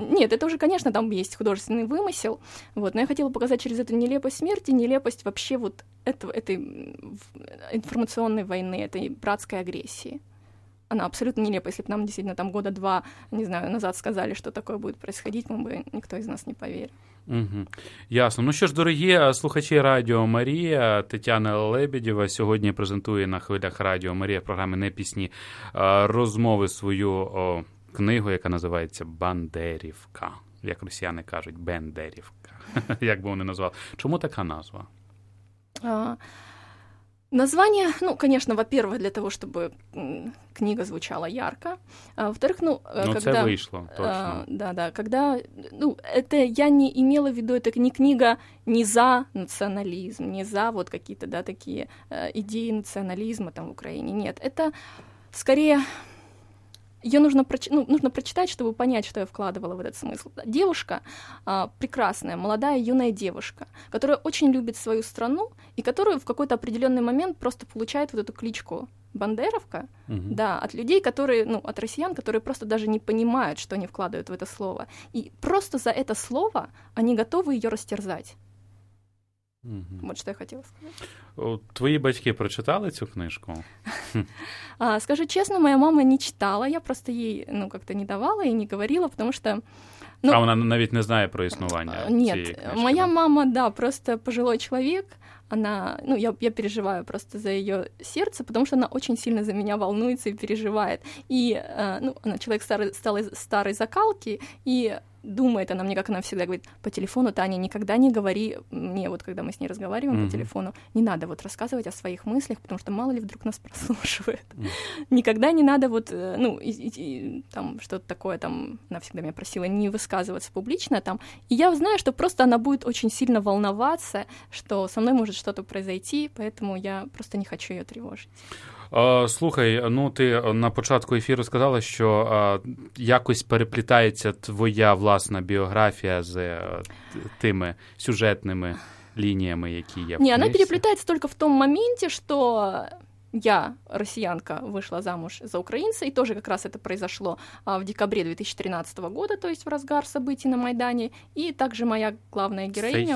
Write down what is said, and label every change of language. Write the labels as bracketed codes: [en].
[ru] Это уже, конечно, там есть художественный вымысел, вот, но я хотела показать через эту нелепость смерти, нелепость вообще вот этой информационной войны, этой братской агрессии. она абсолютно нелепа. Если бы нам действительно там года два, не знаю, назад сказали, что такое будет происходить, мы бы никто из нас не поверил. Угу. Ясно. [uk] Ну що ж, дорогі слухачі Радіо Марія, Тетяна Лебедєва сьогодні презентує на хвилях Радіо Марія програми «Не пісні, а розмови» свою книгу, яка називається «Бандерівка». Як росіяни кажуть, «Бендерівка», як би вони назвали. Чому така назва? [ru] Название, ну, конечно, во-первых, для того, чтобы книга звучала ярко. А, во-вторых, ну, когда... Ну, это вышло, точно. Да-да, когда... Ну, это я не имела в виду, это не книга не за национализм, не за вот какие-то, да, такие идеи национализма там в Украине. Нет, это скорее... Ее нужно, нужно прочитать, чтобы понять, что я вкладывала в этот смысл. Девушка прекрасная, молодая, юная девушка, которая очень любит свою страну и которую в какой-то определенный момент просто получает вот эту кличку «Бандеровка», угу. Да, от людей, которые, ну, от россиян, которые просто даже не понимают, что они вкладывают в это слово. И просто за это слово они готовы ее растерзать. Угу. Вот что я хотела сказать. [uk] Твої батьки прочитали цю книжку? Скажу чесно, моя мама не читала, я просто їй, ну, как-то не давала і не говорила, тому що... Ну, а вона навіть не знає про існування цієї книжки? Ні, моя мама, да, просто пожилий чоловік, вона, ну, я переживаю просто за її серце, тому що вона дуже сильно за мене волнується і переживає. І, ну, вона чоловік старої закалки, і... [ru] думает она мне, как она всегда говорит, по телефону, Таня, никогда не говори мне, вот когда мы с ней разговариваем mm-hmm. по телефону, не надо вот рассказывать о своих мыслях, потому что мало ли вдруг нас прослушивает. Mm-hmm. Никогда не надо вот, ну, там что-то такое там, она всегда меня просила не высказываться публично там. И я знаю, что просто она будет очень сильно волноваться, что со мной может что-то произойти, поэтому я просто не хочу ее тревожить. [uk] Слухай, ну ти на початку ефіру сказала, що якось переплітається твоя власна біографія з тими сюжетними лініями, які є. Ні, вона переплітається тільки в тому моменті, що я, росіянка, вийшла замуж за українця, і теж якраз це произошло в декабрі 2013 року, тобто в розгар событий на Майдані, і також моя главна героїня,